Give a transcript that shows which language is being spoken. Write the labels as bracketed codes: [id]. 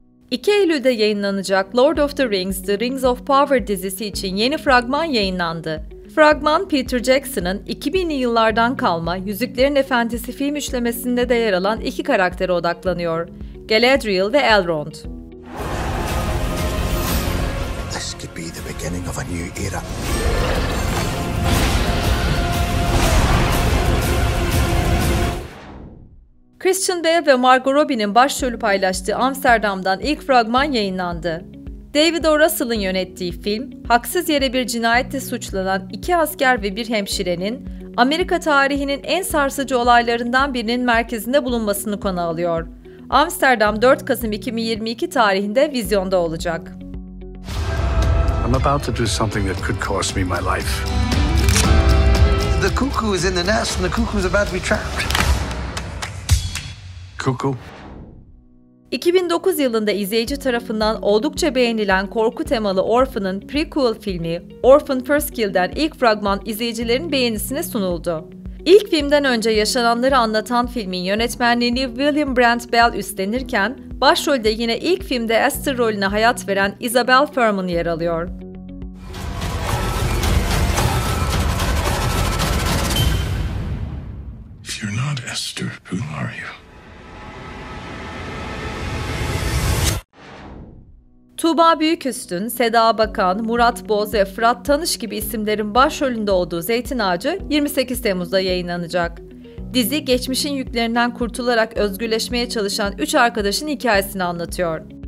[tr] 2 Eylül'de yayınlanacak Lord of the Rings: The Rings of Power dizisi için yeni fragman yayınlandı. Fragman, Peter Jackson'ın 2000'li yıllardan kalma Yüzüklerin Efendisi film üçlemesinde de yer alan iki karaktere odaklanıyor: Galadriel ve Elrond. [en] This could be the beginning of a new era. [tr] Christian Bale ve Margot Robbie'nin başrolü paylaştığı Amsterdam'dan ilk fragman yayınlandı. David O. Russell'ın yönettiği film, haksız yere bir cinayette suçlanan iki asker ve bir hemşirenin, Amerika tarihinin en sarsıcı olaylarından birinin merkezinde bulunmasını konu alıyor. Amsterdam 4 Kasım 2022 tarihinde vizyonda olacak. [en] I'm about to do something that could cost me my life. The cuckoo is in the nest and the cuckoo is about to be trapped. Cuckoo. [tr] 2009 yılında izleyici tarafından oldukça beğenilen korku temalı Orphan'ın prequel filmi Orphan First Kill'den ilk fragman izleyicilerin beğenisine sunuldu. İlk filmden önce yaşananları anlatan filmin yönetmenliğini William Brent Bell üstlenirken, başrolde yine ilk filmde Esther rolüne hayat veren Isabel Furman yer alıyor. [en] If you're not Esther, who are you? [tr] Tuğba Büyüküstün, Seda Bakan, Murat Boz ve Fırat Tanış gibi isimlerin başrolünde olduğu Zeytin Ağacı 28 Temmuz'da yayınlanacak. Dizi, geçmişin yüklerinden kurtularak özgürleşmeye çalışan üç arkadaşın hikayesini anlatıyor.